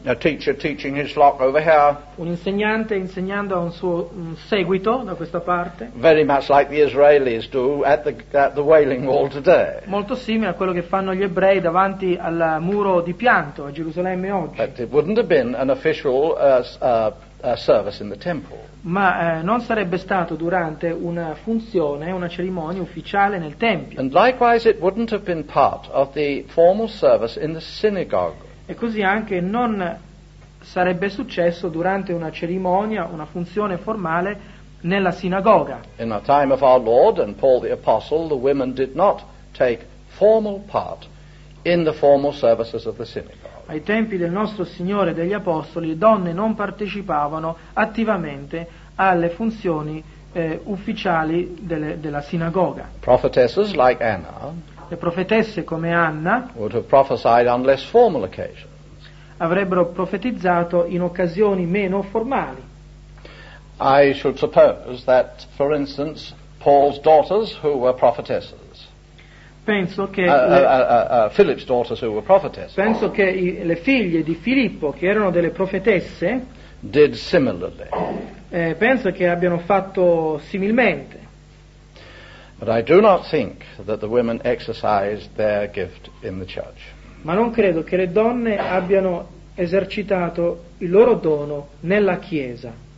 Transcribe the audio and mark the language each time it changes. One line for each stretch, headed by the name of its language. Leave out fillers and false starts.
English: A teacher teaching his flock over here.
Italian: Un insegnante insegnando a un seguito da questa parte.
English: Very much like the Israelis do at the Wailing Wall today.
Italian: Molto simile a quello che fanno gli ebrei davanti al muro di pianto a Gerusalemme oggi.
English: But it wouldn't have been an official service in the temple.
Italian: Ma non sarebbe stato durante una funzione, una cerimonia ufficiale nel tempio.
English: And likewise it wouldn't have been part of the formal service in the synagogue.
Italian: E così anche non sarebbe successo durante una cerimonia, una funzione formale nella sinagoga.
English: In the time of our Lord and Paul the Apostle, the women did not take formal part in the formal services of the synagogue.
Italian: Ai tempi del nostro Signore e degli Apostoli, le donne non partecipavano attivamente alle funzioni ufficiali della sinagoga.
English: Prophetesses like Anna,
Italian: le profetesse come Anna,
English: would have prophesied on less formal occasions.
Italian: Avrebbero profetizzato in occasioni meno formali.
English: I should suppose that, for instance, Paul's daughters who were prophetesses.
Italian: Penso che
English: Philip's daughters who were prophetesses.
Italian: Penso che le figlie di Filippo che erano delle profetesse
English: did similarly.
Italian: Penso che abbiano fatto similmente.
English: But I do not think that the women exercised their gift in the church.
Italian: Ma non credo che le donne abbiano esercitato il loro dono nella chiesa.